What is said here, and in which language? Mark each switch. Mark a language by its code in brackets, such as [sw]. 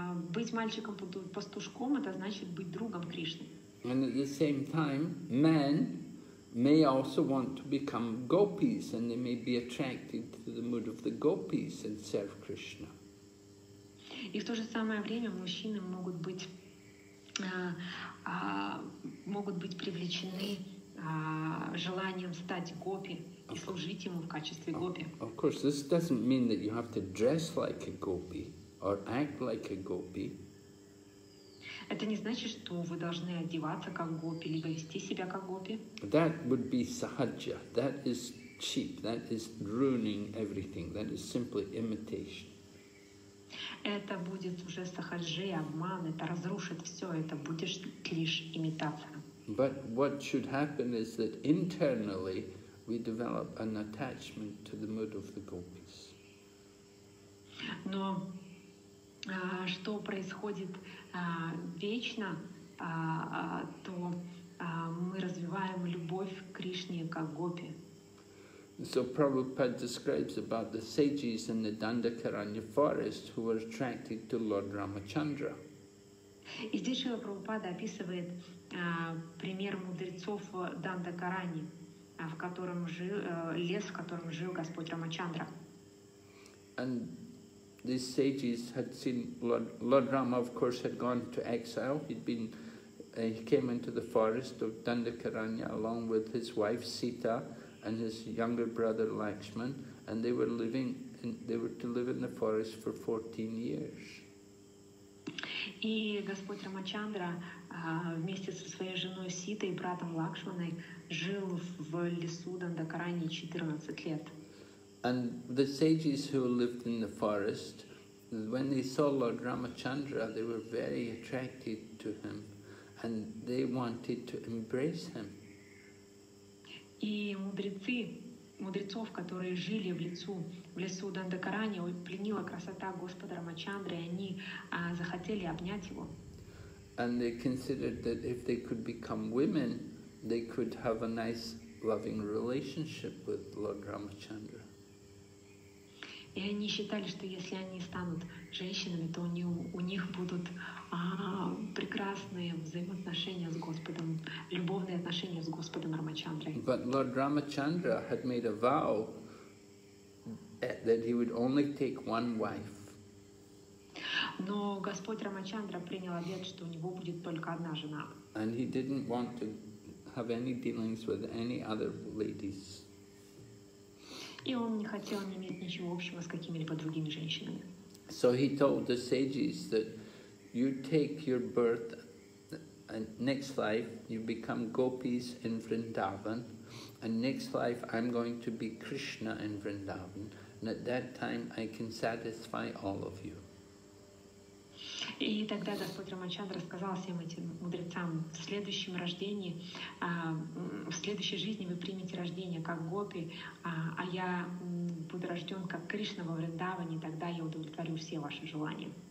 [ru] Быть мальчиком-пастушком — это значит быть другом Кришны. [en] And at the same time, men may also want to become gopis, and they may be attracted to the mood of the gopis and serve Krishna. [ru] И в то же самое время мужчины могут быть привлечены желанием стать гопи и служить ему в качестве гопи. [en] Of course, this doesn't mean that you have to dress like a gopi or act like a gopi. [ru] Это не значит, что вы должны одеваться как гопи либо вести себя как гопи. [en] That would be sahaja. That is cheap. That is ruining everything. That is simply imitation. [ru] Это будет уже сахаджи, обман. Это разрушит все. Это будет лишь имитация. [en] But what should happen is that internally we develop an attachment to the mood of the gopis. [ru] Но что происходит вечно, то мы развиваем любовь к Кришне как гопи. [en] So Prabhupada describes about the sages in the Dandakaranya forest who were attracted to Lord Ramachandra. [ru] И здесь Шрила Прабхупада описывает пример мудрецов Дандакарани, в котором жил лес, в котором жил Господь Рамачандра. [en] And these sages had seen Lord Rama, of course, had gone to exile. He came into the forest of Dandakaranya along with his wife Sita and his younger brother Lakshman, and they were to live in the forest for 14 years. [ru] И Господь Рамачандра вместе со своей женой Ситой и братом Лакшманой жил в лесу Дандакарани 14 лет. [en] And the sages who lived in the forest, when they saw Lord Ramachandra, they were very attracted to him, and they wanted to embrace him. [ru] И мудрецов, которые жили в лесу Дандакарани, пленила красота Господа Рамачандры, и они захотели обнять его. [en] And they considered that if they could become women, they could have a nice loving relationship with Lord Ramachandra. [ru] И они считали, что если они станут женщинами, то у них будут прекрасные взаимоотношения с Господом, любовные отношения с Господом Рамачандрой. [en] But Lord Ramachandra had made a vow that he would only take one wife. [ru] Но Господь Рамачандра принял обет, что у него будет только одна жена. [en] And he didn't want to have any dealings with any other ladies. [ru] И он не хотел иметь ничего общего с какими-либо другими женщинами. [en] So he told the sages that you take your birth and next life you become gopis in Vrindavan, and next life I'm going to be Krishna in Vrindavan, and at that time I can satisfy all of you. [ru] И тогда Господь Рамачандра сказал всем этим мудрецам: в следующем рождении, в следующей жизни вы примете рождение как гопи, а я буду рожден как Кришна во Вриндаване, тогда я удовлетворю все ваши желания.